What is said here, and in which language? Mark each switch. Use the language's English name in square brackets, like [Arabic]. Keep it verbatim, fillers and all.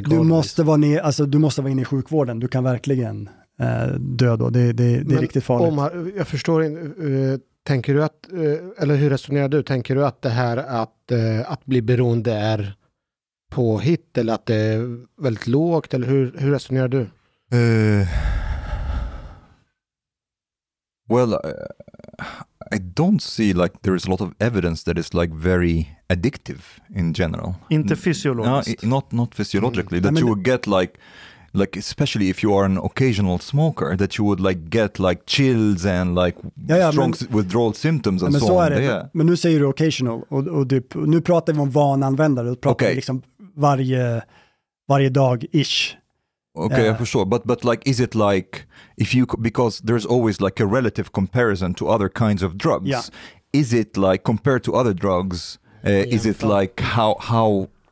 [Swedish] gradvis. Du måste vara ner, alltså du måste vara inne i sjukvården. Du kan verkligen eh, dö då. Det, det, det är riktigt farligt. Om, jag förstår inte. Uh, Tänker du att, eller hur resonerar du? Tänker du att det här att, att bli beroende är påhitt eller att det är väldigt lågt? Eller hur, hur resonerar du? [English] Uh, well, I don't see like there is a lot of evidence that is like very addictive in general. [Swedish] Inte [English] physiologically. No, not, not physiologically. Mm. That I mean, you would get like... like especially if you are an occasional smoker that you would like get like chills and like ja, ja, strong men, withdrawal symptoms and ja, so, so on. [Swedish] Men, men nu säger du occasional och, och du, nu pratar vi om vananvändare och pratar okay. liksom varje varje dag ish. [English] Okay, uh, for sure. But but like is it like if you because there's always like a relative comparison to other kinds of drugs. Yeah. Is it like compared to other drugs uh, is it like how how